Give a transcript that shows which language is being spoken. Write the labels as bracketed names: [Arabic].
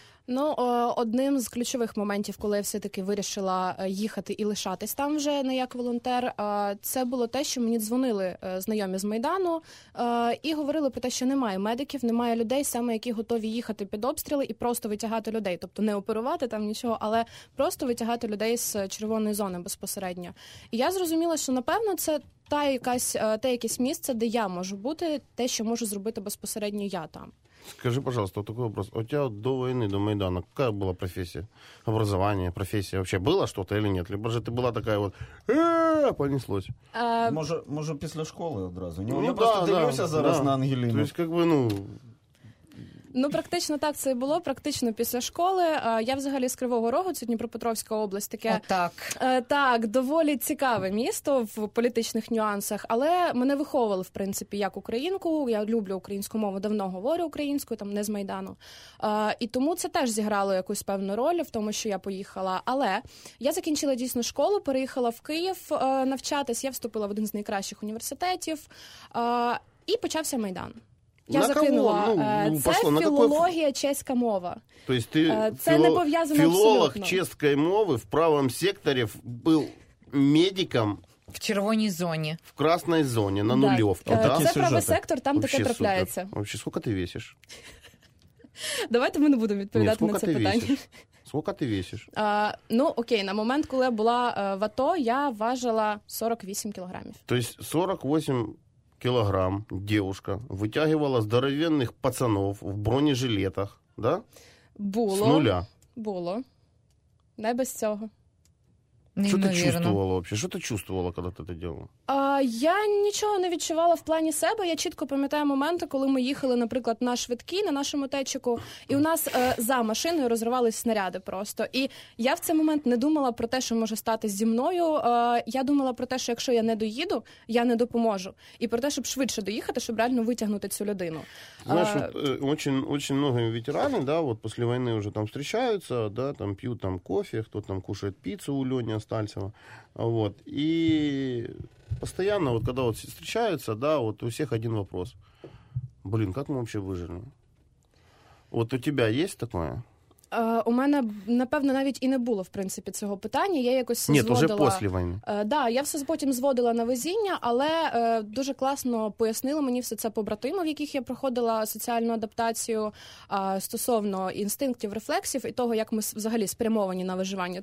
[Ukrainian] Ну, одним з ключових моментів, коли я все-таки вирішила їхати і лишатись там вже не як волонтер, це було те, що мені дзвонили знайомі з Майдану і говорили про те, що немає медиків, немає людей, саме які готові їхати під обстріли і просто витягати людей. Тобто не оперувати там нічого, але просто витягати людей з червоної зони безпосередньо. І я зрозуміла, що, напевно, це те якесь місце, де я можу бути, те, що можу зробити безпосередньо я там. [Russian] Скажи, пожалуйста, такой вопрос. У тебя до войны, до Майдана, какая была профессия? Образование, профессия? Вообще было что-то или нет? Либо же ты была такая вот, понеслось. Может, после школы одразу? [Ukrainian] Я просто дивлюсь зараз на Ангелину. [Russian] То есть, как бы, ну... [Ukrainian] Ну, практично так це і було, практично після школи. Я взагалі з Кривого Рогу, це Дніпропетровська область, таке. Отак. Так, доволі цікаве місто в політичних нюансах, але мене виховували, в принципі, як українку. Я люблю українську мову, давно говорю українською, там не з Майдану. І тому це теж зіграло якусь певну роль в тому, що я поїхала. Але я закінчила дійсно школу, переїхала в Київ навчатись, я вступила в один з найкращих університетів, і почався Майдан. Я закинула. Це філологія, чеська мова. Тобто ти не пов'язано філолог чеської мови в правом секторі був медиком в червоній зоні. В красній зоні на нульовку. Да. Це сюжети. Правий сектор, там [Russian] вообще [Ukrainian] таке трапляється. Взагалі, скільки ти весиш? Давайте ми не будемо відповідати на це питання. Скільки ти весиш? Ну, окей, на момент, коли я була в АТО, я важила 48 кілограмів. [Russian] Тобто 48 килограмм девушка вытягивала здоровенных пацанов в бронежилетах, да? [Ukrainian] Було. [Russian] С нуля. [Ukrainian] Було. Не без цього. Що ти чувствувала вообще? Що ти чувствувала, коли ти це робила? Я нічого не відчувала в плані себе. Я чітко пам'ятаю моменти, коли ми їхали, наприклад, на швидкій, на нашому течику, і у нас за машиною розривались снаряди просто. І я в цей момент не думала про те, що може стати зі мною. Я думала про те, що якщо я не доїду, я не допоможу. І про те, щоб швидше доїхати, щоб реально витягнути цю людину. Знаєш, дуже багато ветеранів, да, от після війни вже там зустрічаються, да, там п'ють там кофе, хто там кушає піцу у Льоні Остальцева. [Russian] Вот. И постоянно, вот когда вот встречаются, да, вот у всех один вопрос. Блин, как мы вообще выжили? Вот у тебя есть такое? [Ukrainian] У мене, напевно, навіть і не було, в принципі, цього питання. Я якось зводила... Ні, вже після війни. Да, я все потім зводила на везіння, але дуже класно пояснили мені все це побратими, в яких я проходила соціальну адаптацію стосовно інстинктів, рефлексів і того, як ми взагалі спрямовані на виживання.